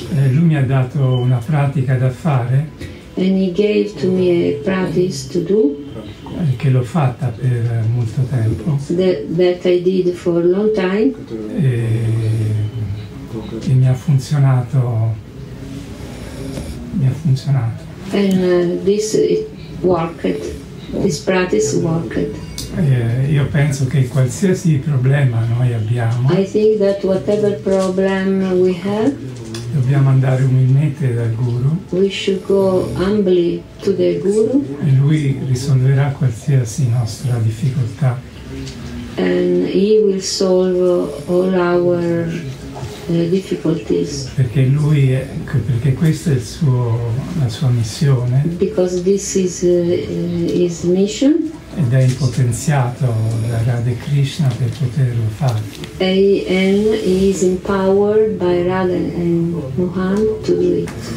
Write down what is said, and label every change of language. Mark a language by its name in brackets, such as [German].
[Italian] Lui mi ha dato una pratica da fare. [English] And he gave to me a practice to do. [Italian] Che l'ho fatta per molto tempo. [English] That I did for a long time. [Italian] E mi ha funzionato. Mi ha funzionato. [English] And this worked. This practice worked. [Italian] Io penso che qualsiasi problema noi abbiamo. [English] I think that whatever problem we have. [Italian] Dobbiamo andare umilmente dal guru. [English] We should go humbly to the guru. [Italian] E lui risolverà qualsiasi nostra difficoltà. [English] And he will solve all our difficulties. [Italian] Perché lui è, perché questa è il suo, la sua missione. [English] Because this is his mission. [Italian] Ed è impotenziato da Radha Krishna per poterlo fare. [English] And he is empowered by Radha and Mohan to do it.